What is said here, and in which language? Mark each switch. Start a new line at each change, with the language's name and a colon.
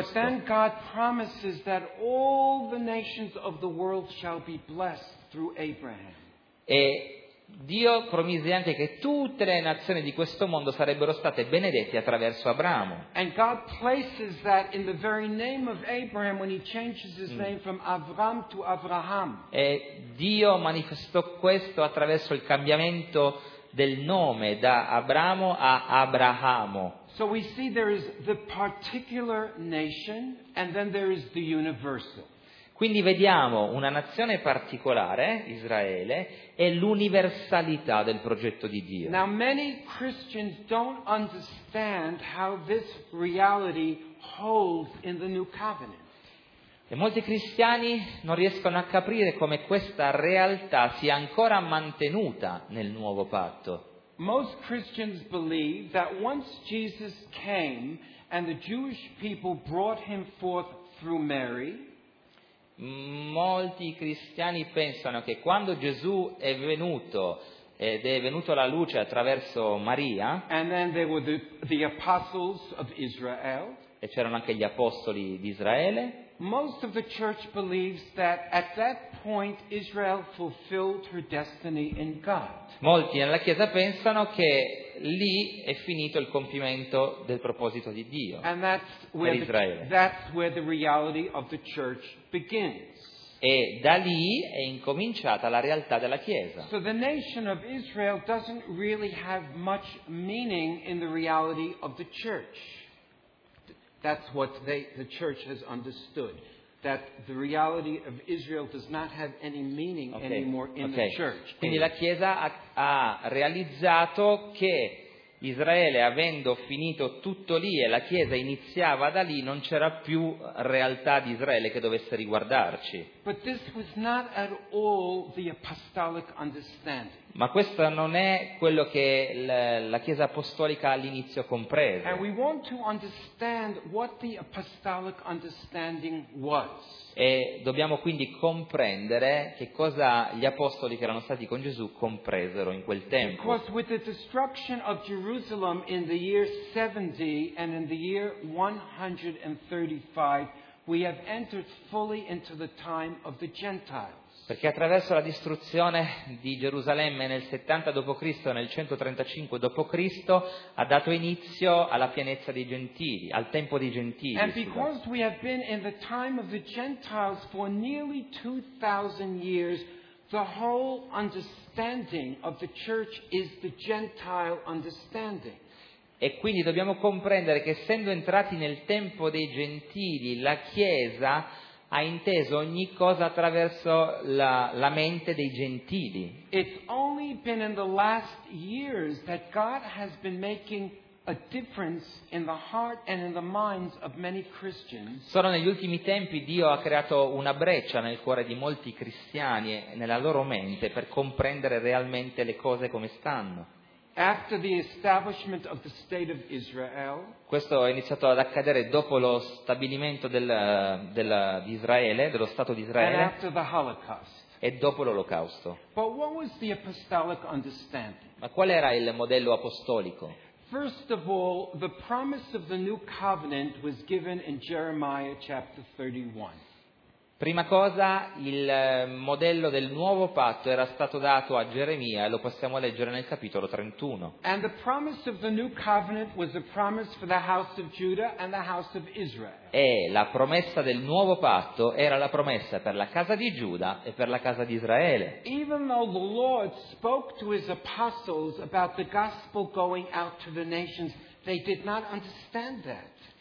English: But then God promises that all the nations of the world shall be blessed through Abraham.
Italian: E Dio promise anche che tutte le nazioni di questo mondo sarebbero state benedette attraverso Abramo.
English: And God places that in the very name of Abraham when he changes his name from Avram to Avraham.
Italian: E Dio manifestò questo attraverso il cambiamento del nome da Abramo a Abrahamo.
English: So we see there is the particular nation and then there is the universal.
Italian: Quindi vediamo una nazione particolare, Israele, e l'universalità del progetto di Dio.
English: Now many Christians don't understand how this reality holds in the new covenant.
Italian: E molti cristiani non riescono a capire come questa realtà sia ancora mantenuta nel nuovo patto.
English: Most Christians believe that once Jesus came and the Jewish people brought him forth through Mary.
Italian: Molti cristiani pensano che quando Gesù è venuto ed è venuto alla luce attraverso Maria,
English: and then there were the apostles of Israel,
Italian: e c'erano anche gli apostoli di Israele.
English: Most of the church believes that at that point Israel fulfilled her destiny in God.
Italian: Molti nella chiesa pensano che lì è finito il compimento del proposito di Dio per Israele.
English: And that's where the reality of the church begins.
Italian: E da lì è incominciata la realtà della chiesa.
English: So the nation of Israel doesn't really have much meaning in the reality of the church. That's what the church has understood, that the reality of Israel does not have any meaning anymore in the church.
Italian: Quindi la chiesa ha realizzato che Israele, avendo finito tutto lì e la chiesa iniziava da lì, non c'era più realtà di Israele che dovesse riguardarci.
English: But this was not at all the apostolic understanding.
Italian: Ma questo non è quello che la Chiesa Apostolica all'inizio comprese.
English: And we want to understand what the apostolic understanding was.
Italian: E dobbiamo quindi comprendere che cosa gli apostoli che erano stati con Gesù compresero in quel tempo.
English: Because with the destruction of Jerusalem in the year 70 and in the year 135, we have entered fully into the time of the Gentiles.
Italian: Perché attraverso la distruzione di Gerusalemme nel 70 d.C. e nel 135 d.C. ha dato inizio alla pienezza dei gentili, al tempo dei gentili.
English: And because we have been in the time of the Gentiles for nearly 2000 years, the whole understanding of the church is the Gentile understanding.
Italian: E quindi dobbiamo comprendere che essendo entrati nel tempo dei gentili, la Chiesa ha inteso ogni cosa attraverso la mente dei gentili.
English: It's only been in the last years that God has been making a difference in the heart and in the minds of many Christians.
Italian: Solo negli ultimi tempi Dio ha creato una breccia nel cuore di molti cristiani e nella loro mente per comprendere realmente le cose come stanno.
English: After the establishment of the state of Israel,
Italian: questo è iniziato ad accadere dopo lo stabilimento di Israele, dello Stato di Israele,
English: and after the Holocaust.
Italian: E dopo l'Olocausto.
English: But what was the apostolic understanding?
Italian: Ma qual era il modello apostolico?
English: First of all, the promise of the new covenant was given in Jeremiah chapter 31.
Italian: Prima cosa, il modello del nuovo patto era stato dato a Geremia, e lo possiamo leggere nel capitolo 31.
English: And the promise of the new covenant was a promise for the house of Judah and the house of Israel.
Italian: E la promessa del nuovo patto era la promessa per la casa di Giuda e per la casa di Israele.
English: Even though the Lord spoke to his apostles about the gospel going out to the nations, they did not understand that.